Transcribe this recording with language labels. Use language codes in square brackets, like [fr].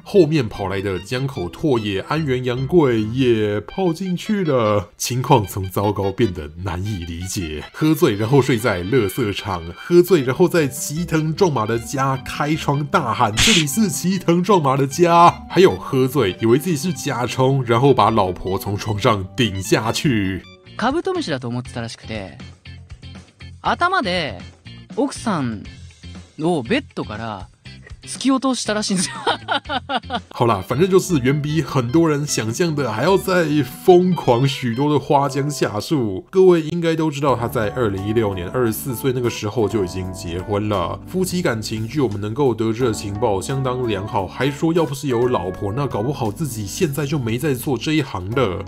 [zh] 后面跑来的江口拓也、安原洋贵也泡进去了，情况从糟糕变得难以理解。喝醉然后睡在垃圾场，喝醉然后在齐藤壮马的家开窗大喊这里是齐藤壮马的家，还有喝醉以为自己是甲虫，然后把老婆从床上顶下去。 [ja] カブトムシだと思ってたらしくて、頭で奥さんのベッドから突き落としたらしいんですよ。 [zh] 好啦，反正就是远比很多人想象的还要再疯狂许多的花江夏树。各位应该都知道，他在2016年24岁那个时候就已经结婚了，夫妻感情据我们能够得知的情报相当良好，还说要不是有老婆，那搞不好自己现在就没在做这一行的。